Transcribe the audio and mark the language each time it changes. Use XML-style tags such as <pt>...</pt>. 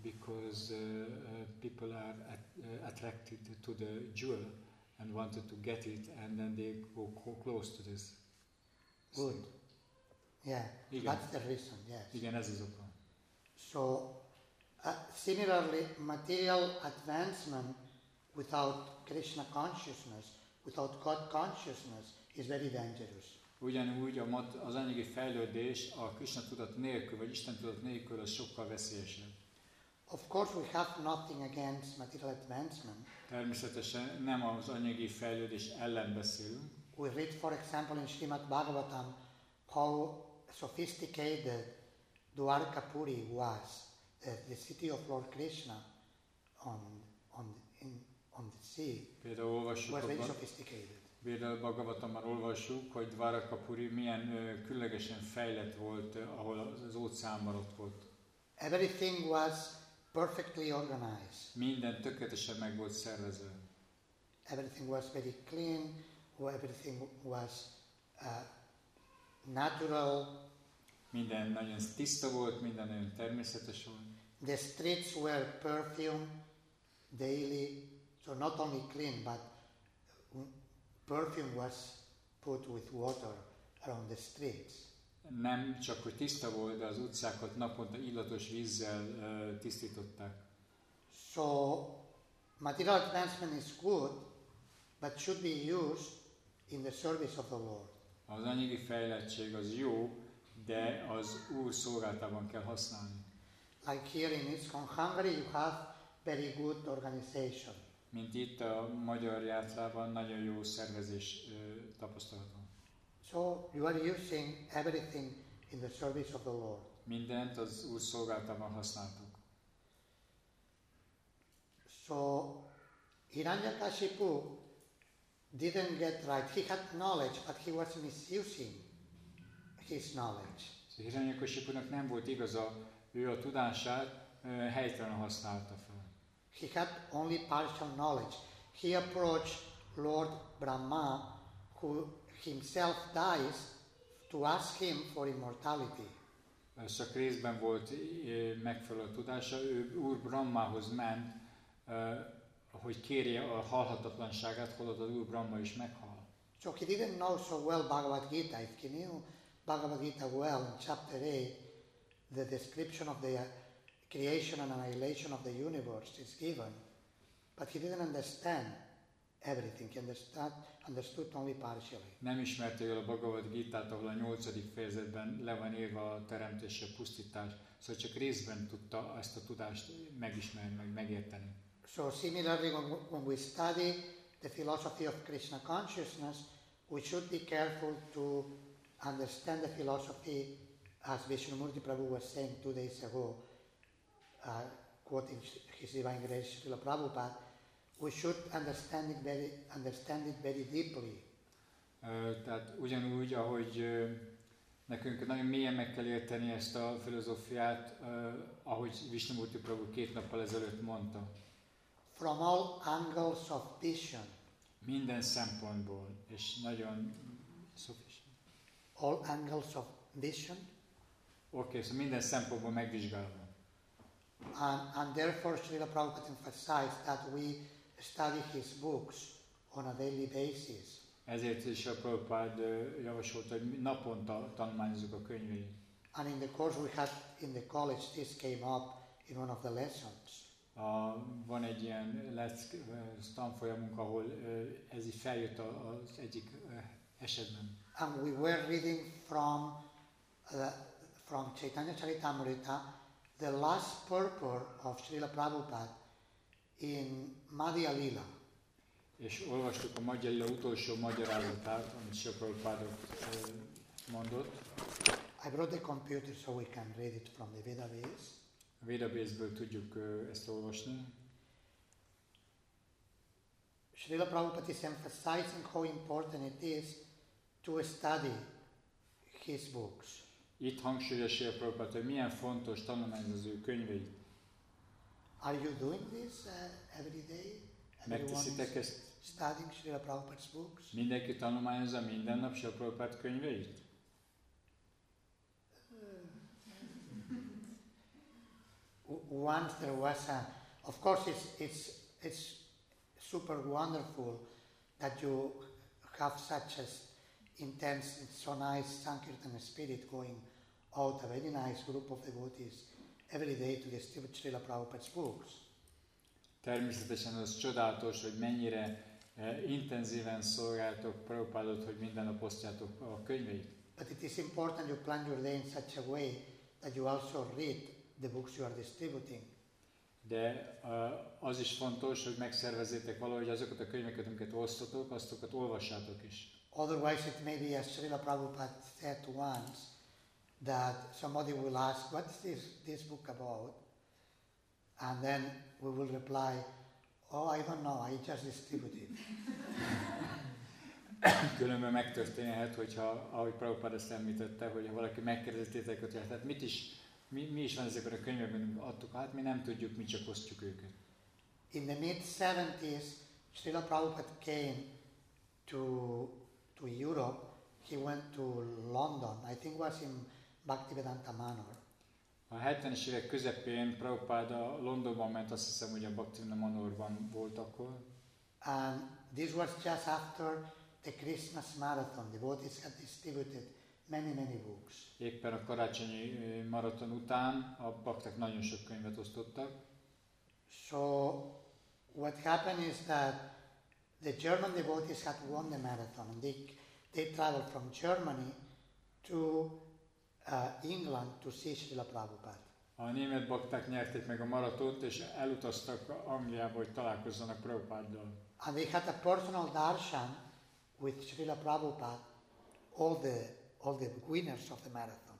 <en>Because people are attracted to the jewel and wanted to get it, and then they go close to this. Good. Yeah,</en> <hu>igen.</hu> <en>That's the reason, yes.</en> <hu>Igen, ez az oka.</hu> <en>So, similarly, material advancement without Krishna consciousness, without God consciousness, is very dangerous.</en> <hu>Ugyanúgy az anyagi fejlődés a Krishna tudat nélkül, vagy Isten tudat nélkül, az sokkal veszélyesebb.</hu> <en>Of course, we have nothing against material advancement.</en> <hu>Természetesen nem az anyagi fejlődés ellen beszélünk.</hu> <en>We read, for example, in Srimad Bhagavatam, how sophisticated Dwarkapuri was, the city of Lord Krishna, on the sea.</en> <hu>Például olvassuk,</hu> <en>was very sophisticated.</en> <hu>Például Bhagavatamban olvassuk, hogy Dwarkapuri milyen különlegesen fejlett volt, ahol az óceánban ott volt.</hu> <en>Everything was perfectly organized.</en> <hu>Minden tökéletesen meg volt szervezve.</hu> <en>Everything was very clean, everything was natural.</en> <hu>Minden nagyon tiszta volt, minden nagyon természetes volt.</hu> <en>The streets were perfumed daily, so not only clean, but perfume was put with water around the streets.</en> <hu>Nem csak hogy tiszta volt, de az utcákat naponta illatos vízzel tisztították.</hu> <en>So, material advancement is good, but should be used in the service of the Lord.</en> <hu>Az anyagi fejlettség az jó, de az Úr szolgálatában kell használni.</hu> <en>Like here in Iskon, Hungary, you have very good organization.</en> <hu>Mint itt a magyar játszában nagyon jó szervezés tapasztalható.</hu> <en>So you are using everything in the service of the Lord.</en> <hu>Mindent az Úr szolgálatában használtuk.</hu> <en>So Hiranyakasipu didn't get right. He had knowledge, but he was misusing his knowledge.</en> <hu>So Hiranyakasipunak nem volt igaza, ő a tudását helytelen használta fel.</hu> <en>He had only partial knowledge. He approached Lord Brahma, who himself dies, to ask him for immortality.</en> <hu>Csak részben volt megfelelő tudása, ő Úr Brahmához ment, hogy kérje a halhatatlanságát, holott az Úr Brahma is meghal.</hu> <en>So he didn't know so well Bhagavad Gita. If he knew Bhagavad Gita well, in chapter 8, the description of the creation and annihilation of the universe is given, but he didn't understand everything. He understood only partially.</en> <hu>Nem ismerte jól a Bhagavad Gita-t, ahol a 8. fejezetben le van írva a teremtés és a pusztítás, szóval csak részben tudta ezt a tudást megismerni, meg megérteni.</hu> <en>So similarly, when we study the philosophy of Krishna consciousness, we should be careful to understand the philosophy as Vishnumurti Prabhu was saying 2 days ago, quoting his divine grace Srila Prabhupada, we should understand it very deeply.</en> <hu>Tehát ugyanúgy, ahogy nekünk nagyon mélyen meg kell érteni ezt a filozófiát, ahogy Vishnumurti Prabhu 2 nappal ezelőtt mondta.</hu> <en>From all angles of vision.</en> <hu>Minden szempontból, és nagyon sufficient.</hu> <en>All angles of vision.</en> <hu>Okay, so minden szempontból megvizsgálva.</hu> <en>And therefore Srila Prabhupada emphasized that we study his books on a daily basis.</en> <hu>Ezért is a Prabhupada javasolta, hogy naponta tanulmányozzuk a könyveit.</hu> <en>And in the course we had in the college, this came up in one of the lessons.</en> <hu>Van egy ilyen tanfolyamunk, ahol ez is feljött az egyik esetben.</hu> <en>And we were reading from Chaitanya Charitamrita, the last purport of Srila Prabhupada in Madhya Lila.</en> <hu>És olvastuk a Madhya Lila utolsó magyarázatát, amit Srila Prabhupada mondott.</hu> <en>I brought the computer so we can read it from the Vedavis.</en> <hu>A Vedabészből tudjuk ezt olvasni.</hu> <en>Srila Prabhupada is emphasizing how important it is to study his books.</en> <hu>Itt hangsúlyozza Srila Prabhupada, hogy milyen fontos tanulmányozni az ő könyveit.</hu> <en>Are you doing this every day?</en> <hu>Megteszitek ezt?</hu> <en>Studying Srila Prabhupada's books?</en> <hu>Mindenki tanulmányozza minden nap Srila Prabhupada könyveit?</hu> <en>Once there was a, of course it's super wonderful that you have such an intense, it's so nice Sankirtan spirit going out, a very nice group of devotees every day to distribute Srila Prabhupada's books.</en> <hu>Természetesen az csodálatos, hogy mennyire intenzíven szolgáltok Prabhupádot, hogy minden nap osztjátok a könyveit.</hu> <en>But it is important you plan your day in such a way that you also read the books you are distributing.</en> <hu>De az is fontos, hogy megszervezzétek valahogy azokat a könyveket, amiket osztotok, azokat olvassátok is.</hu> <en>Otherwise it may be as Srila Prabhupada said once, that somebody will ask, what is this book about? And then we will reply, oh, I don't know, I just distributed it.</en> <hu>Különben megtörténhet, hogyha, ahogy Prabhupada ezt említette, hogy ha valaki megkérdezettétek, hogy hát mit is, mi is van ezekben a könyvekben, adtuk át, mi nem tudjuk, mi csak osztjuk őket.</hu> <en>In the mid-70s, Srila Prabhupada came to Europe. He went to London, I think was in Bhaktivedanta Manor.</en> <hu>A 70-es évek közepén Prabhupada Londonban ment, azt hiszem, hogy a Bhaktivedanta Manorban volt akkor.</hu> <en>And this was just after the Christmas marathon. The devotees had distributed many books.</en> <hu>Éppen a karácsonyi maraton után a bakták nagyon sok könyvet osztottak.</hu> <en>So what happened is that the German devotees had won the marathon and they They traveled from Germany to England to see Srila Prabhupada.</en> <hu>A német bakták nyerték meg a maratont és elutaztak Angliába, hogy találkozzanak Prabhupáddal.</hu> <en>And they had a personal darshan with Srila Prabhupada, all the winners of the marathon.</en>